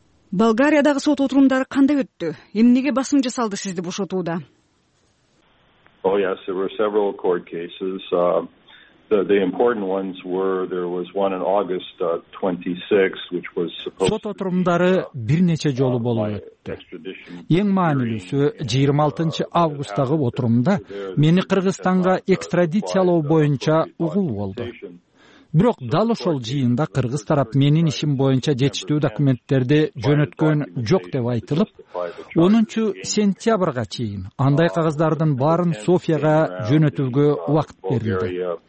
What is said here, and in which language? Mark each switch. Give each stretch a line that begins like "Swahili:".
Kyrgyz: Болгариядагы сот отурумдары кандай өттү? Эмнеге басым жасалды сизди бошотууда?
English: Oh yes, there were several court cases. The important ones were there was one in August 26 which was supposed
Kyrgyz: сот отурумдары бир нече жолу болуп өттү. Эң маанилүүсү 26 августтагы отурумда мени Кыргызстанга экстрадициялоо боюнча угуу болду. Бирок дал ошол жыйында кыргыз тарап менин ишим боюнча жетиштүү документтерди жөнөткөн жок деп айтылып, 10 сентябрга чейин андай кагаздардын баарын Софияга жөнөтүүгө убакыт берилди.